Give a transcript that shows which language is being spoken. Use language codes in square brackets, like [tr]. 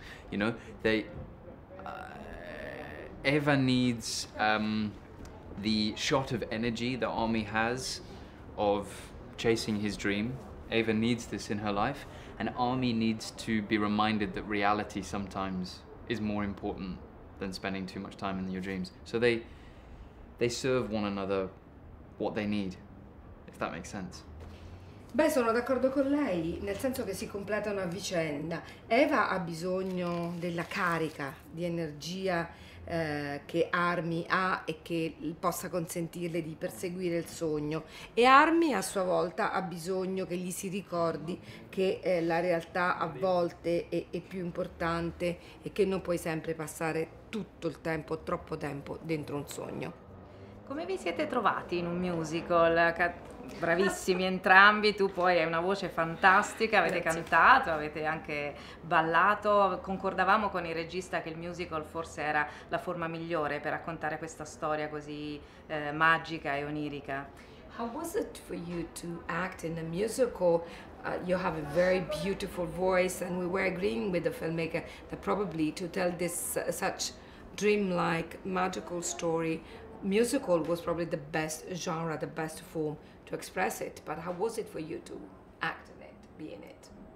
[en] You know, they Eva needs the shot of energy that Army has of chasing his dream. Eva needs this in her life, and Army needs to be reminded that reality sometimes is more important than spending too much time in your dreams. So they serve one another what they need, if that makes sense. [it] Beh, sono d'accordo con lei, nel senso che si completano a vicenda. Eva ha bisogno della carica di energia che Army ha e che possa consentirle di perseguire il sogno. E Army, a sua volta, ha bisogno che gli si ricordi che la realtà a volte è più importante e che non puoi sempre passare tutto il tempo, troppo tempo, dentro un sogno. Come vi siete trovati in un musical? Bravissimi entrambi, tu poi hai una voce fantastica, avete Grazie. Cantato, avete anche ballato. Concordavamo con il regista che il musical forse era la forma migliore per raccontare questa storia così magica e onirica. [en] How was it for you to act in a musical? You have a very beautiful voice and we were agreeing with the filmmaker that probably to tell this such dreamlike magical story, musical was probably the best genre, the best form to express it, but how was it for you to act in it, be in it?